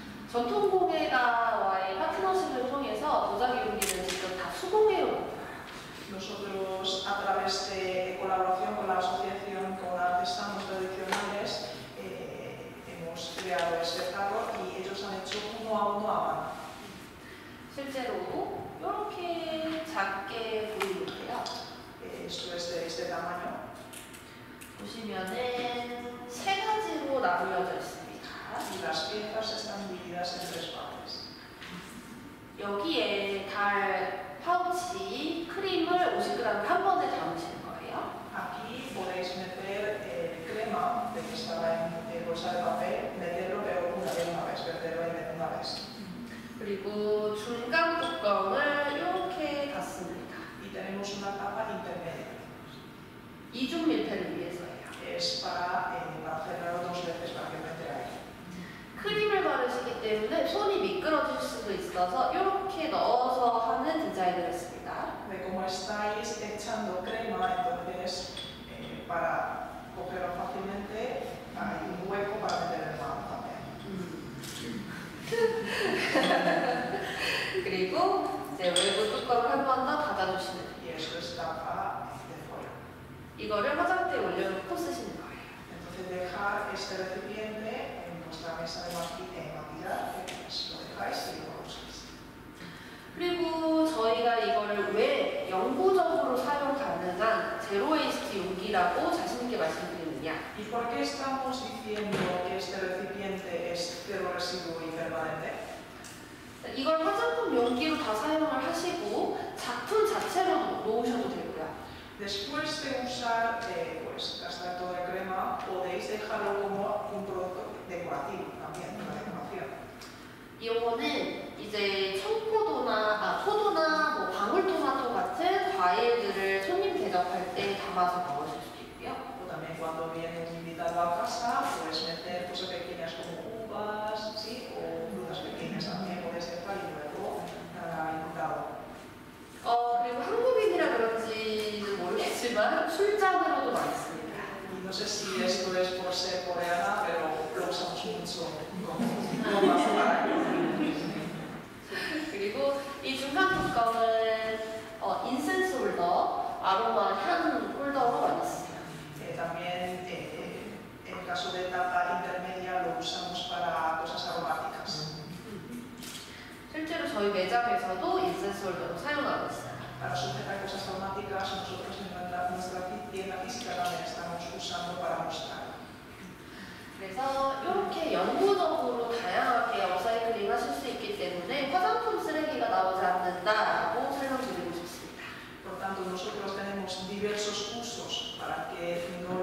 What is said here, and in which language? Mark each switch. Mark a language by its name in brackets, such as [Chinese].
[Korean] 전통공예가와의 파트너십을 통해서 도자기 용기는 직접 다 수공예로 [Spanish] Nosotros, a través de colaboración con la asociación con artesanos tradicionales, hemos creado este carro y ellos han hecho uno a uno a mano. [Korean] 실제로 이렇게 작게 보이는데요. [Spanish] Esto es de este tamaño. [Korean] 보시면은 세 가지로 나누어져 있습니다. [Spanish] Y las piezas están divididas en tres partes. [Korean] 여기에 달 파우치 크림을 50g 한 번에 담으시는 거예요. [Spanish] Aquí podéis meter crema de que estaba en bolsa de papel, meterlo pero una vez una vez, meterlo y meter una vez. [Korean] 그리고 중간 뚜껑을 이렇게 닫습니다. [Spanish] Y tenemos una tapa intermedia. [Korean] 이중 밀폐를 위해서예요. [Spanish] Es para cerrarlo dos veces para que meter ahí. [Korean] 크림을 바르시기 때문에 손이 미끄러질 수도 있어서 이렇게 넣어서 하는 디자인을 했습니다. [Spanish] Como estáis echando crema, entonces para cogerlo fácilmente hay un hueco para meter el mano también. [Korean] 그리고 이제 외부 뚜껑을 한 번 더 닫아주시는. [Spanish] Y eso es tapa de fuera. [Korean] 이거를 화장대에 올려놓고 쓰시는 거예요. [Spanish] Entonces dejar este recipiente la mesa de maquillar, pues lo dejáis y lo usáis. [Korean] 그리고 저희가 이거를 왜 영구적으로 사용 가능한 제로웨이스트 용기라고 자신있게 말씀드리느냐? [Spanish] ¿Y por qué estamos diciendo que este recipiente es cero residuo y permanente? [Korean] 이걸 화장품 용기로 다 사용을 하시고 작품 자체로 놓으셔도 되고요. [Spanish] Después de usar pues hasta toda la crema, podéis dejarlo como un producto decorativo también, una decoración. [Korean] 이거는 이제 청포도나 포도나 뭐 방울토마토 같은 과일들을 손님 대접할 때 담아서 넣으실 수 있고요. [Spanish] También cuando viene un invitado a casa, puedes meter cosas pequeñas como uvas, sí, o frutas pequeñas también puedes dejar y luego dar al invitado. [Korean] 그리고 한국인이라 그런지는 모르겠지만 술잔으로도 많이 씁니다. [Spanish] Y no sé si esto es por ser coreana, pero lo usamos mucho como más para ello. [Korean] 그리고 이 중간 뚜껑은 인센스 홀더, 아로마 향 홀더로 많이 씁니다. [Spanish] También en caso de tapa intermedia lo usamos para cosas aromáticas. [Korean] 실제로 저희 매장에서도 인센스 홀더로 사용하고 있어요. [Spanish] Para sujetar cosas aromáticas, nosotros en nuestra tienda física también estamos usando para mostrar. [Korean] 그래서 이렇게 영구적으로 다양하게 업사이클링 하실 수 있기 때문에 화장품 쓰레기가 나오지 않는다라고 설명드리고 싶습니다. [Spanish] Por tanto, nosotros tenemos diversos usos para que